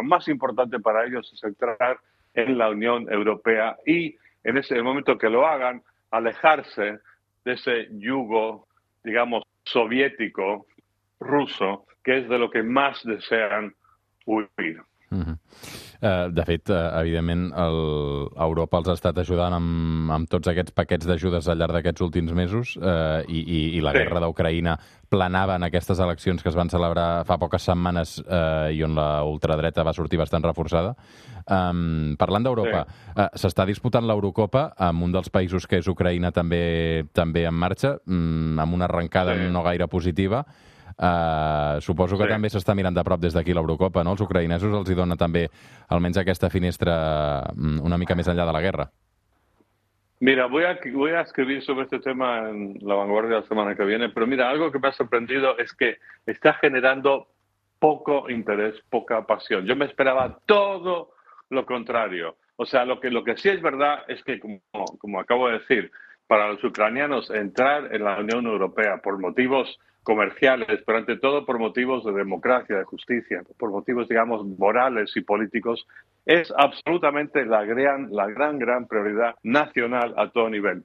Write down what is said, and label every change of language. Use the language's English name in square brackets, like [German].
[Spanish] Lo más importante para ellos es entrar en la Unión Europea y, en ese momento que lo hagan, alejarse de ese yugo, digamos, soviético, ruso, que es de lo que más desean huir. Uh-huh. [Catalan] De fet, evidentment, Europa els ha estat ajudant amb tots aquests paquets d'ajudes al llarg d'aquests últims mesos i la guerra d'Ucraïna planava en aquestes eleccions que es van celebrar fa poques setmanes i on la ultradreta va sortir bastant reforçada. Parlant d'Europa, s'està disputant l'Eurocopa amb un dels països que és Ucraïna també en marxa, amb una arrencada no gaire positiva. Suposo que també s'està mirant de prop des d'aquí l'Eurocopa, no? Els ucraïnesos els hi dona també, almenys aquesta finestra una mica més enllà de la guerra. [Spanish] Mira, voy a escribir sobre este tema en La Vanguardia la semana que viene, pero mira, algo que me ha sorprendido es que está generando poco interés, poca pasión. Yo me esperaba todo lo contrario. O sea, lo que sí es verdad es que, como acabo de decir, para los ucranianos entrar en la Unión Europea por motivos comerciales, pero ante todo por motivos de democracia, de justicia, por motivos, digamos, morales y políticos, es absolutamente la gran prioridad nacional a todo nivel.